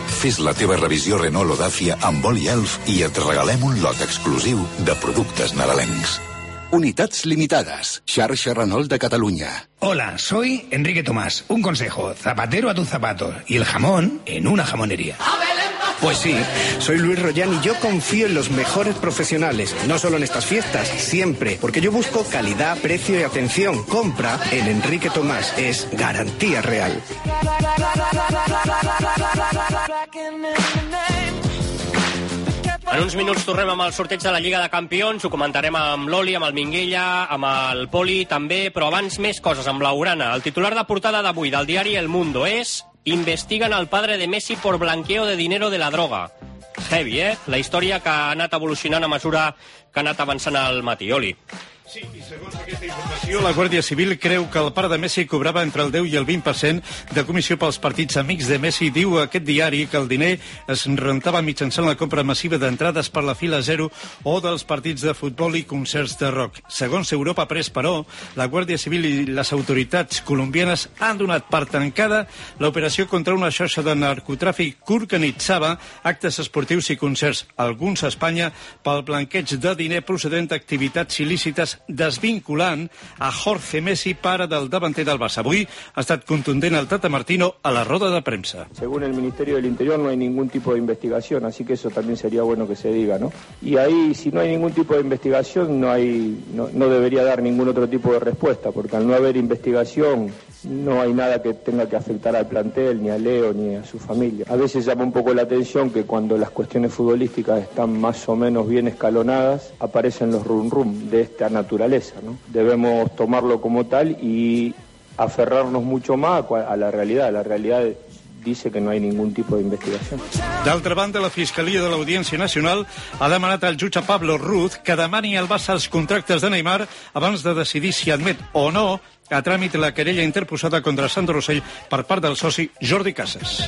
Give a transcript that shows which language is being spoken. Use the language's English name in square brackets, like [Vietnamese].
[Catalan] Fes la teva revisió Renault o Dacia amb oli Elf i et regalem un lot exclusiu de productes nadalencs. Unitats limitades. Xarxa Renault de Catalunya. [Spanish] Hola, soy Enrique Tomás. Un consejo, zapatero a tus zapatos y el jamón en una jamonería. Pues sí, soy Luis Royán y yo confío en los mejores profesionales, no solo en estas fiestas, siempre, porque yo busco calidad, precio y atención. Compra en Enrique Tomás, es garantía real. [Catalan] En uns minuts tornem amb el sorteig de la Lliga de Campions, ho comentarem amb l'Oli, amb el Minguella, amb el Poli també, però abans més coses amb l'Aurana. El titular de portada d'avui del diari El Mundo és... [Spanish] Investigan al padre de Messi por blanqueo de dinero de la droga. [Catalan] Heavy, [Spanish] ¿eh? La historia [Catalan] que ha anat evolucionant a mesura que ha anat avançant al matí. Oli. Sí, i segons aquesta informació, la Guàrdia Civil creu que el pare de Messi cobrava entre el 10 i el 20% de comissió pels partits amics de Messi. Diu aquest diari que el diner es rentava mitjançant la compra massiva d'entrades per la fila zero o dels partits de futbol i concerts de rock. Segons Europa Press, però, la Guàrdia Civil i les autoritats colombianes han donat per tancada l'operació contra una xarxa de narcotràfic que organitzava actes esportius i concerts, alguns a Espanya, pel blanqueig de diner procedent d'activitats il·lícites, desvinculant a Jorge Messi, pare del davanter del Barça. Avui ha estat contundent el Tata Martino a la roda de premsa. [Spanish] Según el Ministerio del Interior no hay ningún tipo de investigación, así que eso también sería bueno que se diga, ¿no? Y ahí, si no hay ningún tipo de investigación, no debería dar ningún otro tipo de respuesta, porque al no haber investigación no hay nada que tenga que afectar al plantel, ni a Leo, ni a su familia. A veces llama un poco la atención que cuando las cuestiones futbolísticas están más o menos bien escalonadas, aparecen los rum-rum de esta naturaleza, ¿no? Debemos tomarlo como tal y aferrarnos mucho más a la realidad. La realidad dice que no hay ningún tipo de investigación. [Catalan] D'altra banda, la Fiscalia de l'Audiència Nacional ha demanat al jutge Pablo Ruz que demani al Barça els contractes de Neymar abans de decidir si admet o no a tràmit la querella interposada contra Sandro Rosell per part del soci Jordi Casas.